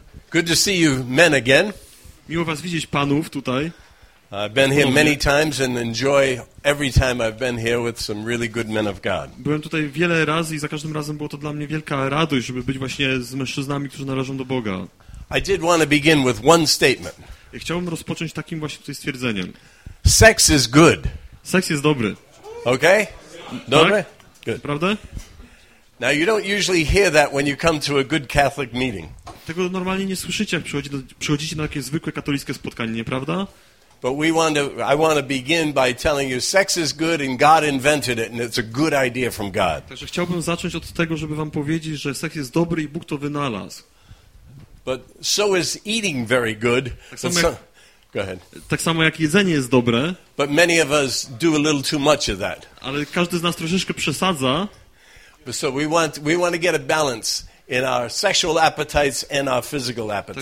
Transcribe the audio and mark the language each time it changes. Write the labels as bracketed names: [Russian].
[English] Good to see you men again. [Polish] Miło was widzieć panów tutaj. [English] I've been here many times and enjoy every time I've been here with some really good men of God. [Polish] Byłem tutaj wiele razy i za każdym razem było to dla mnie wielka radość, żeby być właśnie z mężczyznami, którzy należą do Boga. [English] I did want to begin with one statement. [Polish] I chciałbym rozpocząć takim właśnie tutaj stwierdzeniem. [English] Sex is good. [Polish] Seks jest dobry. [English] Okay? [Polish] Dobre? Tak? [English] Good. [Polish] Prawda? [English] Now you don't usually hear that when you come to a good Catholic meeting. [Polish] Tego normalnie nie słyszycie, jak przychodzicie na takie zwykłe katolickie spotkanie, nieprawda? [English] But I want to begin by telling you sex is good and God invented it and it's a good idea from God. [Polish] Także chciałbym zacząć od tego, żeby wam powiedzieć, że seks jest dobry i Bóg to wynalazł. [English] But so is eating very good. Go ahead. [Polish] Tak samo jak jedzenie jest dobre. [English] But many of us do a little too much of that. [Polish] Ale każdy z nas troszeczkę przesadza. [English] So we want to get a balance in our sexual appetites and our physical appetites.